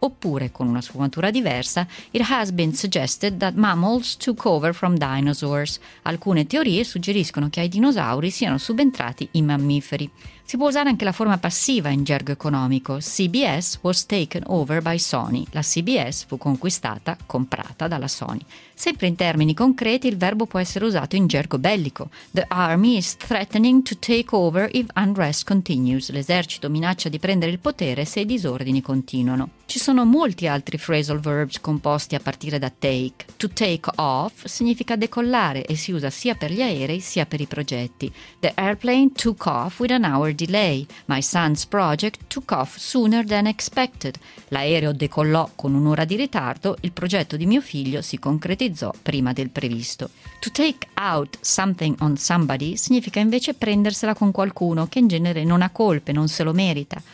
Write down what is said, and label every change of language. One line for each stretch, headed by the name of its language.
Italian: Oppure, con una sfumatura diversa,
English: it has been suggested that mammals took over from dinosaurs.
Italian: Alcune teorie suggeriscono che ai dinosauri siano subentrati i mammiferi. Si può usare anche la forma passiva in gergo economico.
English: CBS was taken over by Sony.
Italian: La CBS fu conquistata, comprata dalla Sony. Sempre in termini concreti, il verbo può essere usato in gergo bellico.
English: The army is threatening to take over if unrest continues.
Italian: L'esercito minaccia di prendere il potere se i disordini continuano. Ci sono molti altri phrasal verbs composti a partire da take. To take off significa decollare e si usa sia per gli aerei sia per i progetti.
English: The airplane took off with an hour delay. My son's project took off sooner than expected.
Italian: L'aereo decollò con un'ora di ritardo. Il progetto di mio figlio si concretizzò prima del previsto.
English: To take out something on somebody
Italian: significa invece prendersela con qualcuno che in genere non ha colpe, non se lo merita.